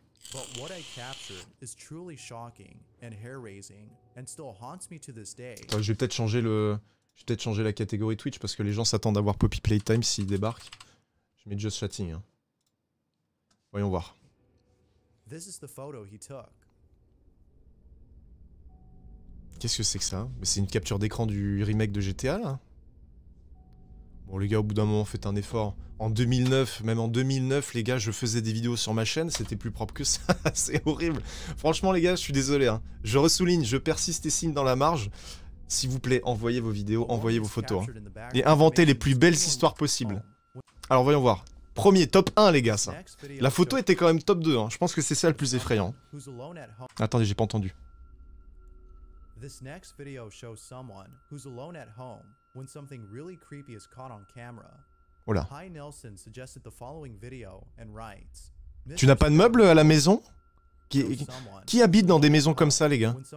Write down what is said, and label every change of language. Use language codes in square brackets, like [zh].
[en] But what I captured is truly shocking and hair-raising and still haunts me to this day. [fr] Attends, je vais peut-être changer la catégorie Twitch parce que les gens s'attendent à voir Poppy Playtime s'il débarque. Je mets Just Chatting. Hein. Voyons voir. [en] This is the photo he took. [fr] Qu'est-ce que c'est que ça? Mais c'est une capture d'écran du remake de GTA là. Bon les gars, au bout d'un moment, faites un effort. En 2009, les gars, je faisais des vidéos sur ma chaîne, c'était plus propre que ça, c'est horrible. Franchement, les gars, je suis désolé. Hein. Je ressouligne, je persiste et signe dans la marge. S'il vous plaît, envoyez vos vidéos, envoyez vos photos. Hein. Et inventez les plus belles histoires possibles. Alors, voyons voir. Premier, top 1, les gars, ça. La photo était quand même top 2, hein. Je pense que c'est ça le plus effrayant. Attendez, j'ai pas entendu. [en] This next video shows someone who's alone at home when something really creepy is caught on camera. Oula. Hi Nelson suggested the following video and writes, [fr] tu n'as pas de meubles à la maison? Qui habite dans des maisons comme ça, les gars?